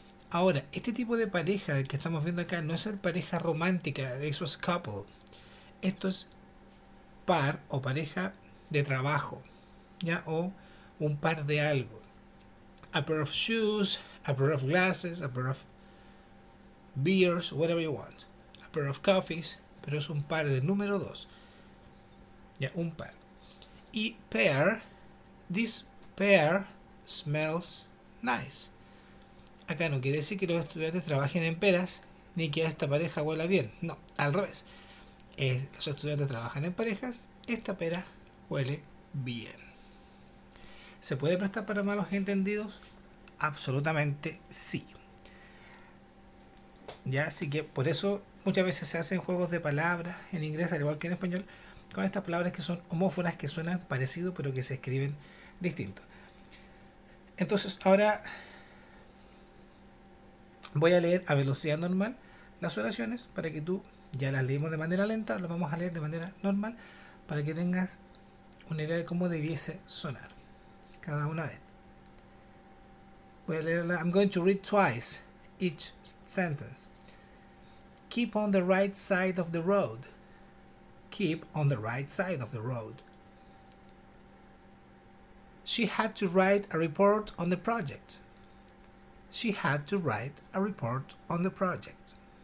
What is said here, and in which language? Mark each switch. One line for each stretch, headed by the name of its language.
Spanish: Ahora, este tipo de pareja que estamos viendo acá no es el pareja romántica, eso es couple. Esto es par o pareja de trabajo, ¿ya? O un par de algo.
English: A pair of shoes, a pair of glasses, a pair of beers, whatever you want. A pair of coffees,
Spanish: pero es un par de número dos. Ya, un par.
English: Y pear, this pear smells nice.
Spanish: Acá no quiere decir que los estudiantes trabajen en peras, ni que esta pareja huela bien. No, al revés. Los estudiantes trabajan en parejas, esta pera huele bien. ¿Se puede prestar para malos entendidos? Absolutamente sí. Ya, así que por eso muchas veces se hacen juegos de palabras en inglés, al igual que en español, con estas palabras que son homófonas, que suenan parecido, pero que se escriben distinto. Entonces, ahora voy a leer a velocidad normal las oraciones para que tú, ya las leímos de manera lenta, las vamos a leer de manera normal para que tengas una idea de cómo debiese sonar cada una de ellas. Voy a leerla.
English: I'm going to read twice each sentence. Keep on the right side of the road. Keep on the right side of the road. She had to write a report on the project. She had to write a report on the project.